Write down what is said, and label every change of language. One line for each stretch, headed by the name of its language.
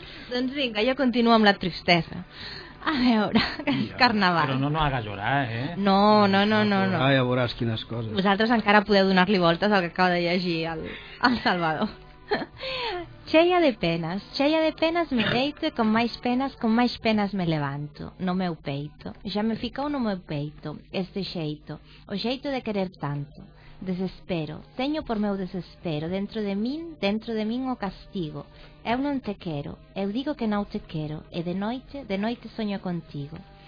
Catalan: Doncs vinga, jo continuo amb la tristesa. A veure, que és carnaval. Però
Spanish: no haga llorar,
Catalan: eh? No. Ah, ja veuràs quines coses. Vosaltres encara podeu donar-li voltes al que acaba de llegir el Salvador.
Galician: Cheia de penas, cheia de penas me deito e con máis penas me levanto no meu peito. Já me ficou no meu peito este xeito, o xeito de querer tanto. Desespero, teño por meu desespero dentro de min o castigo. Eu non te quero, eu digo que non te quero e de noite soño contigo.